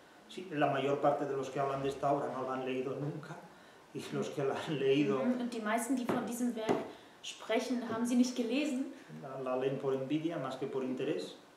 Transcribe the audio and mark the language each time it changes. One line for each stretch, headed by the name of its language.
Spanish: Sí, la mayor parte de los que hablan de esta obra no la han leído nunca. Y los que la han leído.
German: Und die meisten, die von diesem Werk sprechen, haben sie nicht gelesen.
Spanish: La leen por envidia, más que por interés.